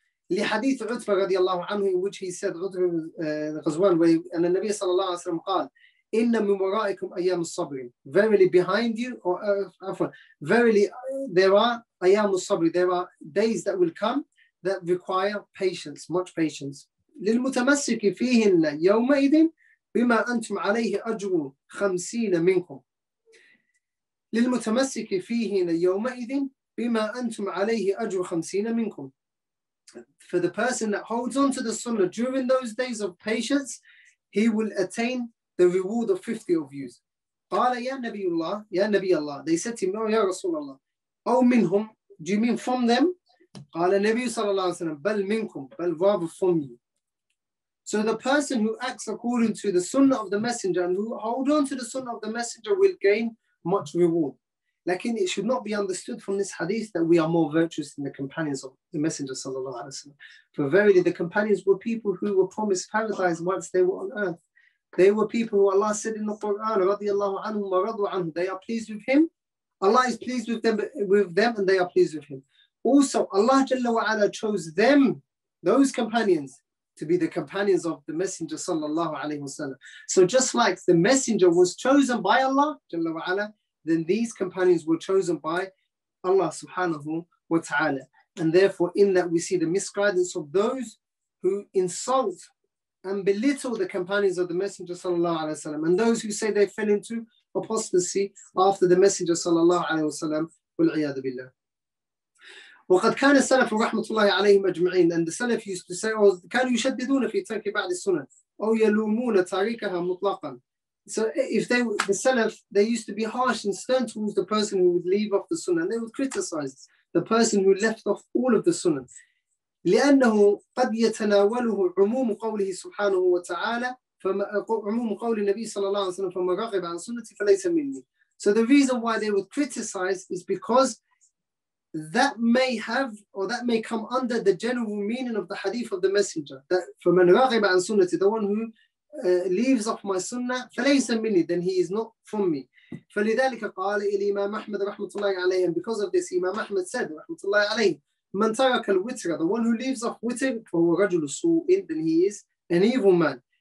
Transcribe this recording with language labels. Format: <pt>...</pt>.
<ar>لحديث عتبة رضي الله عنه,</ar> <en>in which he said, عتبة غزوان,</en> <ar>أن النبي صلى الله عليه وسلم قال, إن من ورائكم أيام الصبر,</ar> <en>verily behind you, or verily there are</en> <ar>أيام الصبر,</ar> <en>there are days that will come that require patience, much patience.</en> <ar>للمتمسك فيهن يومئذ بما أنتم عليه أجر خمسين منكم. للمتمسك فيهن يومئذ بما أنتم عليه أجر خمسين منكم.</ar> <en>For the person that holds on to the sunnah during those days of patience, he will attain the reward of 50 of you.</en> <ar>قال يا نبي الله, يا نبي الله.</ar> <en>They said to him, oh,</en> <ar>يا رسول الله. أو منهم,</ar> <en>do you mean from them?</en> <ar>قال النبي صلى الله عليه وسلم, بل منكم, بل</ar> <en>rather from you. So the person who acts according to the sunnah of the messenger and who hold on to the sunnah of the messenger will gain much reward. Lakin it should not be understood from this hadith that we are more virtuous than the companions of the messenger sallallahu alaihi wasallam. For verily the companions were people who were promised paradise once they were on earth. They were people who Allah said in the Quran,</en> <ar>radiyallahu anhum wa radu anhum,</ar> <en>they are pleased with him. Allah is pleased with them and they are pleased with him. Also Allah jalla wa ala chose them, those companions, to be the companions of the Messenger sallallahu alaihi wasallam. So just like the Messenger was chosen by Allah jalla wa ala, then these companions were chosen by Allah subhanahu wa ta'ala. And therefore in that we see the misguidance of those who insult and belittle the companions of the Messenger sallallahu alaihi wasallam, and those who say they fell into apostasy after the Messenger sallallahu alaihi wasallam, wal iyad billah.</en> <ar>وقد كان السلف رحمة الله عليهم أجمعين,</ar> <en>and the Salaf used to say, oh,</en> <ar>كانوا يشددون في ترك بعض السنة أو يلومون تاركها مطلقا.</ar> <en>So if they, the Salaf, they used to be harsh and stern towards the person who would leave off the Sunnah, and they would criticize the person who left off all of the Sunnah.</en> <ar>لأنه قد يتناوله عموم قوله سبحانه وتعالى فما عموم قول النبي صلى الله عليه وسلم فما رغب عن سنتي فليس مني.</ar> <en>So the reason why they would criticize is because that may have, or that may come under the general meaning of the hadith of the messenger, that for</en> <ar>man raghiba an sunnati,</ar> <en>the one who leaves off my sunnah,</en> <ar>falaysa minni,</ar> <en>then he is not from me.</en> <ar>فَلِذَلِكَ قَالَ إِلِيمَامَ أَحْمَدَ رَحْمَةُ اللَّهِ عَلَيْهِ,</ar> <en>and because of this, Imam Ahmad said,</en> <ar>رَحْمَةُ اللَّهِ عَلَيْهِ, مَنْ تَرَكَ الْوِتْرَ,</ar> <en>the one who leaves off witr,</en> <ar>فَهُوَ رَجُلُ سُوءٍ,</ar> <en>then he is an evil man.</en>